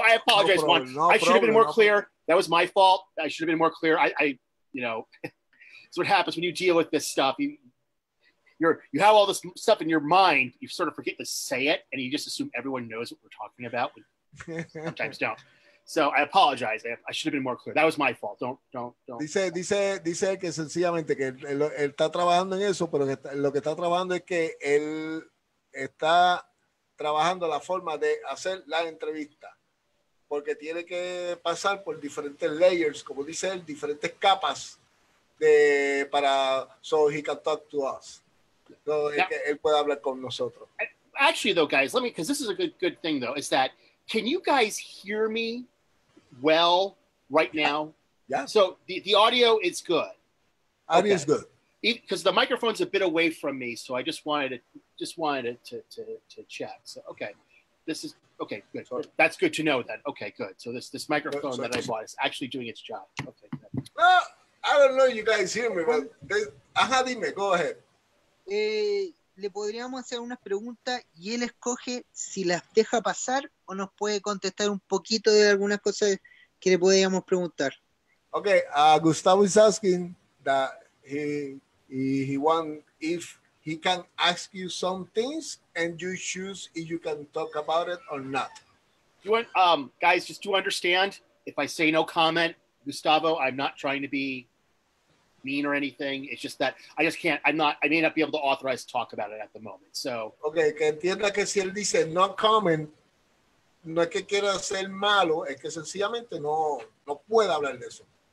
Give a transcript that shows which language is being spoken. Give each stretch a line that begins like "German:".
English: I apologize. I should have been more clear. That was my fault. I should have been more clear. It's what happens when you deal with this stuff. You have all this stuff in your mind. You sort of forget to say it, and you just assume everyone knows what we're talking about. Sometimes don't. So I apologize. I should have been more clear. That was my fault. Don't.
Spanish: Dice que sencillamente que él está trabajando en eso, pero lo que está trabajando es que él está trabajando la forma de hacer la entrevista, porque tiene que pasar por diferentes layers, como dice él, diferentes capas de para
English: so he can talk to us. So now,
Spanish: él puede hablar con nosotros.
English: Actually, though, guys, let me, because this is a good thing, though, is that can you guys hear me well right now? Yeah. So the audio is good. Audio is good. Because the microphone's a bit away from me, so I just wanted to check. So okay, this is okay. Good. Sorry. That's good to know. Then okay, good. So this microphone that I bought is actually doing its job. Okay. Good. Well, I don't know if you guys hear me, but
Spanish: ajá, dime.
English: Go ahead.
Spanish: Le podríamos hacer unas preguntas y él escoge si las deja pasar o nos puede contestar un poquito de algunas cosas que le podríamos preguntar.
English: Okay. Gustavo is asking that. He want if he can ask you some things and you choose if you can talk about it or not. You want, guys, just to understand, if I say no comment, Gustavo, I'm not trying to be mean or anything. It's just that I just can't, I may not be able to authorize to talk about it at the moment. So,
Spanish: okay, que entienda que si él dice
English: no comment,
Spanish: no es que quiera ser malo, es que sencillamente no puede hablar de eso.